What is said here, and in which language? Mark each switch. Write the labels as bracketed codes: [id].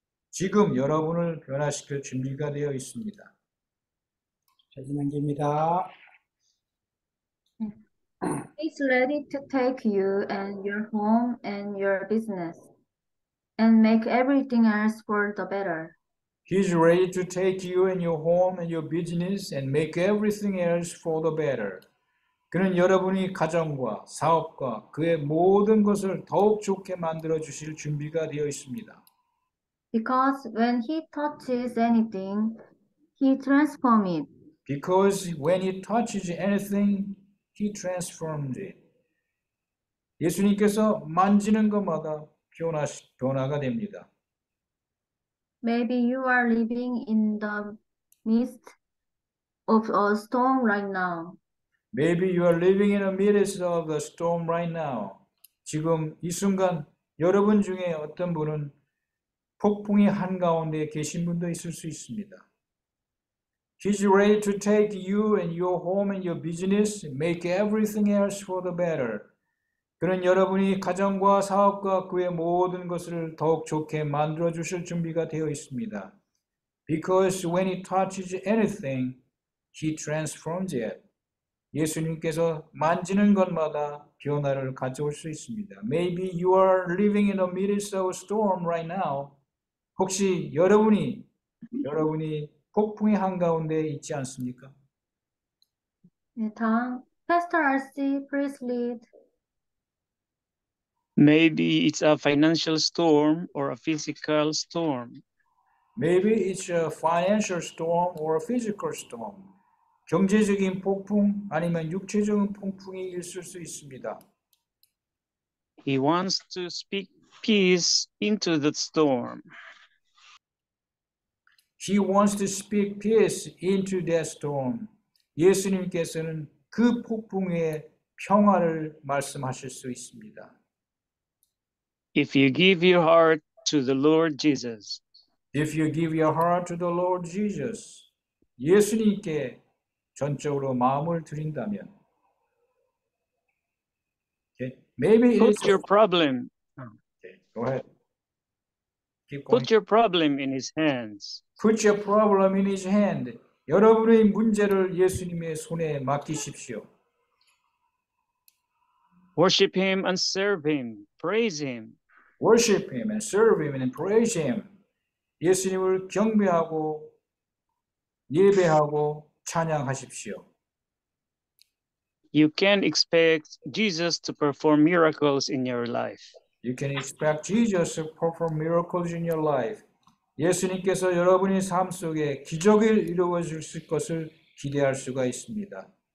[ko] 지금 여러분을 변화시킬 준비가 되어 있습니다. 잘 지낸기입니다. [en] He's ready to take you and your home and your business and make everything else for the better. He's ready to take you and your home and your business and make everything else for the better. [ko] 그는 여러분이 가정과 사업과 그의 모든 것을 더욱 좋게 만들어 주실 준비가 되어 있습니다. [en] Because when he touches anything, he transforms it. Because when he touches anything, he transforms it. [ko] 예수님께서 만지는 것마다 변화가 됩니다. [en] Maybe you are living in the midst of a storm right now. Maybe you are living in the midst of a storm right now. [ko] 지금 이 순간 여러분 중에 어떤 분은 폭풍의 한가운데 계신 분도 있을 수 있습니다. [en] He's ready to take you and your home and your business, make everything else for the better. [ko] 그는 여러분이 가정과 사업과 그의 모든 것을 더욱 좋게 만들어 주실 준비가 되어 있습니다. [en] Because when he touches anything, he transforms it. [ko] 예수님께서 만지는 것마다 변화를 가져올 수 있습니다. [en] Maybe you are living in the midst of a storm right now. [ko] 혹시 여러분이 폭풍의 한가운데 있지 않습니까? 네, 다음. [en] Pastor RC, please lead. Maybe it's a financial storm or a physical storm. Maybe it's a financial storm or a physical storm. [ko] 경제적인 폭풍 아니면 육체적인 폭풍이 있을 수 있습니다. [en] He wants to speak peace into the storm. He wants to speak peace into that storm. [ko] 예수님께서는 그 폭풍에 평화를 말씀하실 수 있습니다. [en] If you give your heart to the Lord Jesus. If you give your heart to the Lord Jesus. [ko] 예수님께 전적으로 마음을 드린다면. [en] Okay. Maybe put your problem. Okay. Go ahead. Put your problem in his hands. Put your problem in his hand. [ko] 여러분의 문제를 예수님의 손에 맡기십시오. [en] Worship him and serve him. Praise him. Worship him and serve him and praise him. [ko] 예수님을 경배하고 예배하고 찬양하십시오. [en] You can expect Jesus to perform miracles in your life. You can expect Jesus to perform miracles in your life. [ko] 예수님께서 여러분의 삶 속에 기적을 이루어주실 것을 기대할 수가 있습니다.